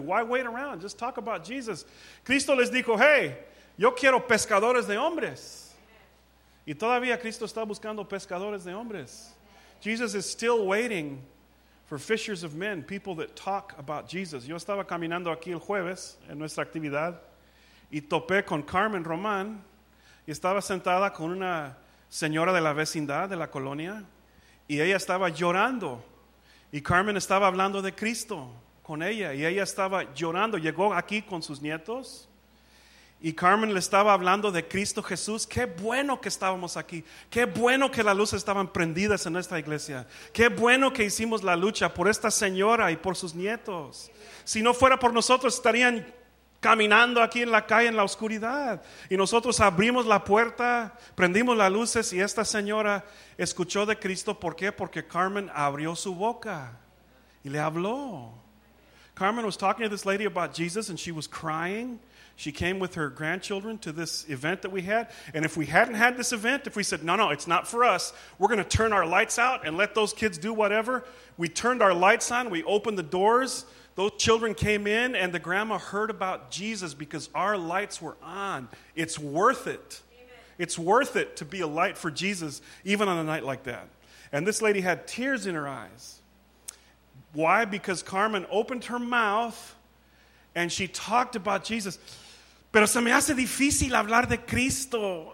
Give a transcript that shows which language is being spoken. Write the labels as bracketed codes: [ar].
[en] Why wait around? Just talk about Jesus. [es] Cristo les dijo, hey, yo quiero pescadores de hombres. Y todavía Cristo está buscando pescadores de hombres. Jesus is still waiting for fishers of men, people that talk about Jesus. Yo estaba caminando aquí el jueves en nuestra actividad y topé con Carmen Román y estaba sentada con una señora de la vecindad, de la colonia, y ella estaba llorando. Y Carmen estaba hablando de Cristo con ella. Y ella estaba llorando. Llegó aquí con sus nietos. Y Carmen le estaba hablando de Cristo Jesús. Qué bueno que estábamos aquí. Qué bueno que las luces estaban prendidas en esta iglesia. Qué bueno que hicimos la lucha por esta señora y por sus nietos. Si no fuera por nosotros, estarían caminando aquí en la calle en la oscuridad. Y nosotros abrimos la puerta, prendimos las luces y esta señora escuchó de Cristo. ¿Por qué? Porque Carmen abrió su boca y le habló. [en] Carmen was talking to this lady about Jesus and she was crying. She came with her grandchildren to this event that we had. And if we hadn't had this event, if we said, no, it's not for us, we're going to turn our lights out and let those kids do whatever. We turned our lights on, we opened the doors, those children came in, and the grandma heard about Jesus because our lights were on. It's worth it. Amen. It's worth it to be a light for Jesus, even on a night like that. And this lady had tears in her eyes. Why? Because Carmen opened her mouth and she talked about Jesus. [es] Pero se me hace difícil hablar de Cristo.